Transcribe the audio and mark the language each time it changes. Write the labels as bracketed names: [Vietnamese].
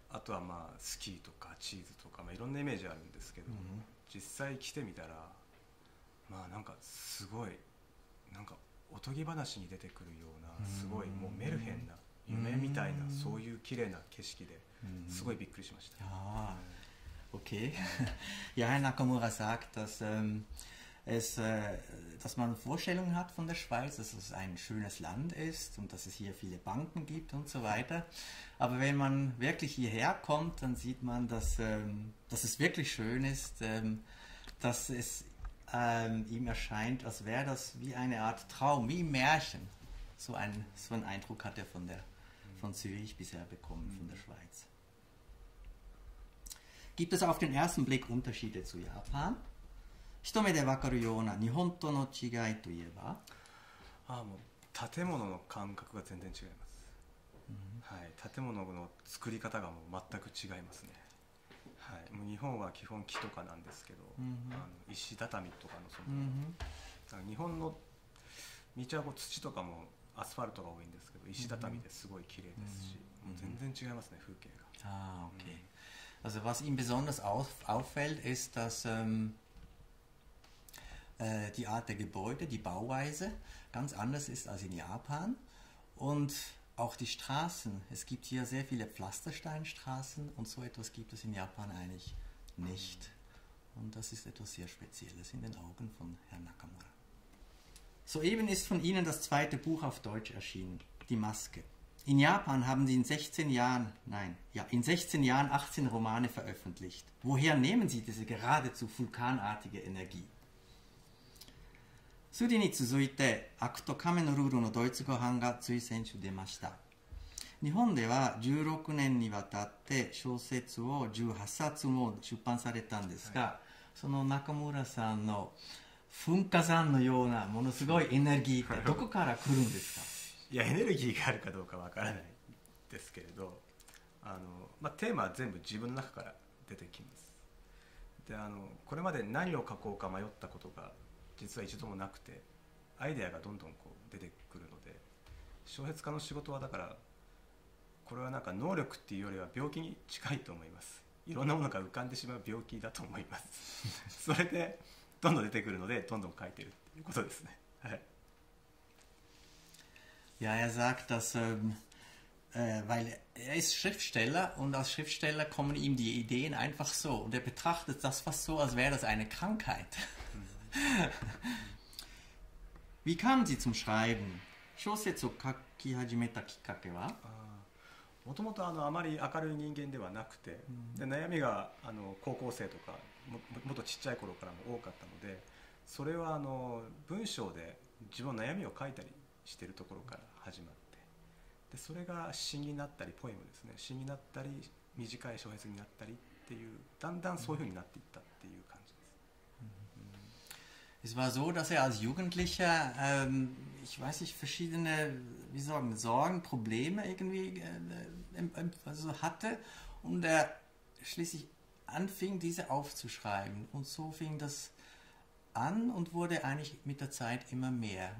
[Japanese] あとはまあスキーとかチーズとか、まあ、いろんなイメージあるんですけど、実際来てみたらまあなんかすごいなんかおとぎ話に出てくるようなすごいもうメルヘンな夢みたいなそういう綺麗な景色ですごいびっくりしました。 [English] Okay. [German] Ja, Herr Nakamura sagt, dass dass man Vorstellungen hat von der Schweiz, dass es ein schönes Land ist und dass es hier viele Banken gibt und so weiter. Aber wenn man wirklich hierher kommt, dann sieht man, dass es wirklich schön ist, dass es ihm erscheint, als wäre das wie eine Art Traum, wie ein Märchen. So einen Eindruck hat er von Zürich bisher bekommen, von der Schweiz. Gibt es auf den ersten Blick Unterschiede zu Japan? [Japanese] 一目でわかるような日本との違いといえば、ああもう建物の感覚が全然違います。はい、建物の作り方がもう全く違いますね。はい、もう日本は基本木とかなんですけど、あの石畳とかのその、だから日本の道はこう土とかもアスファルトが多いんですけど、石畳ですごい綺麗ですし、もう全然違いますね風景が。ああ、OK。 [German] Also was ihm besonders auffällt ist, dass die Art der Gebäude, die Bauweise ganz anders ist als in Japan und auch die Straßen. Es gibt hier sehr viele Pflastersteinstraßen und so etwas gibt es in Japan eigentlich nicht. Und das ist etwas sehr Spezielles in den Augen von Herrn Nakamura. Soeben ist von Ihnen das zweite Buch auf Deutsch erschienen, Die Maske. In Japan haben Sie in 16 Jahren, nein, ja, in 16 Jahren 18 Romane veröffentlicht. Woher nehmen Sie diese geradezu vulkanartige Energie? [Japanese] スリに続いて、アクト亀のルールのドイツ語版がつい先週出ました。日本では16年にわたって小説を18冊も出版されたんですが、はい、その中村さんの噴火山のようなものすごいエネルギーってどこから来るんですか？いや、エネルギーがあるかどうかわからないですけれど、まあ、テーマは全部自分の中から出てきます。で、これまで何を書こうか迷ったことが実は一度もなくて、アイデアがどんどんこう出てくるので、小説家の仕事はだから、これはなんか能力っていうよりは病気に近いと思います。いろんなものが浮かんでしまう病気だと思います。それで、どんどん出てくるので、どんどん書いてるっていうことですね。はい。 [German] Ja, er sagt, dass, weil er ist Schriftsteller und als Schriftsteller kommen ihm die Ideen einfach so und er betrachtet das fast so, als wäre das eine Krankheit. Wie kamen Sie zum Schreiben? [Japanese] 小説を書き始めたきっかけは？もともとあまり明るい人間ではなくて、で悩みが高校生とか もっとちっちゃい頃からも多かったので、それは文章で自分の悩みを書いたりしているところから始まって、でそれが詩になったりポエムですね、詩になったり短い小説になったりっていう、だんだんそういうふうになっていったっていう感じです。 [German] Es war so, dass er als Jugendlicher, ich weiß nicht, verschiedene, wie sagen, Sorgen, Probleme irgendwie also hatte und er schließlich anfing, diese aufzuschreiben. Und so fing das an und wurde eigentlich mit der Zeit immer mehr.